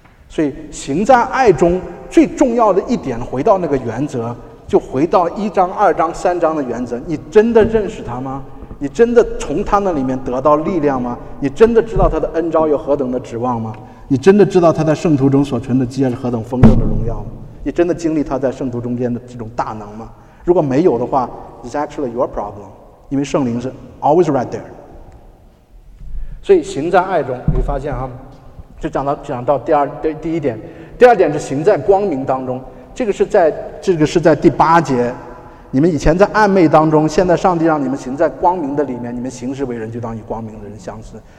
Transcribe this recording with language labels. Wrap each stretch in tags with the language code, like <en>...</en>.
<zh>所以行在爱中最重要的一点，回到那个原则，就回到一章、二章、三章的原则。你真的认识他吗？你真的从他那里面得到力量吗？你真的知道他的恩召有何等的指望吗？你真的知道他在圣徒中所存的基业是何等丰盛的荣耀吗？你真的经历他在圣徒中间的这种大能吗？如果没有的话，</zh> <en>It's actually your problem，</en> <zh>因为圣灵是</zh> <en>always right there。</en> <zh>所以行在爱中，你发现啊，就讲到第一点，第二点是行在光明当中。这个是在第八节，你们以前在暧昧当中，现在上帝让你们行在光明的里面，你们行事为人就当与光明的人相似。</zh>